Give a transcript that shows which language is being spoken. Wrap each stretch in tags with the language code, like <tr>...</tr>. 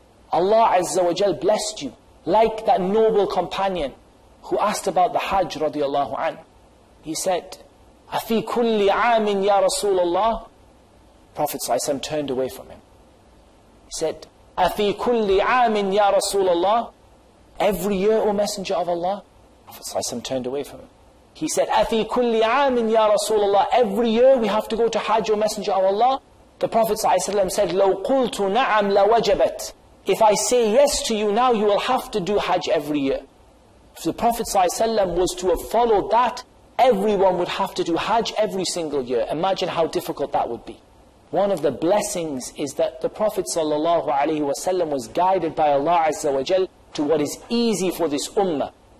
<en>Allah Azza wa Jal blessed you, like that noble companion who asked about the Hajj radiallahu anhu. He said,</en> <ar>أَفِي كُلِّ عَامٍ يَا رَسُولَ اللَّهِ.</ar> <en>Prophet ﷺ turned away from him. He said,</en> <ar>أَفِي كُلِّ عَامٍ يَا رَسُولَ اللَّهِ.</ar> <en>Every year, O Messenger of Allah. Prophet ﷺ turned away from him. He said,</en> <ar>أَفِي كُلِّ عَامٍ يَا رَسُولَ اللَّهِ.</ar> <en>Every year we have to go to Hajj, O Messenger of Allah. The Prophet ﷺ said,</en> <ar>لَوْ قُلْتُ نَعَمْ لَوَجَبَتْ.</ar> <en>If I say yes to you now, you will have to do Hajj every year. If the Prophet ﷺ was to have followed that, everyone would have to do Hajj every single year. Imagine how difficult that would be. One of the blessings is that the Prophet ﷺ was guided by Allah Azza wa Jal to what is easy for this ummah.</en>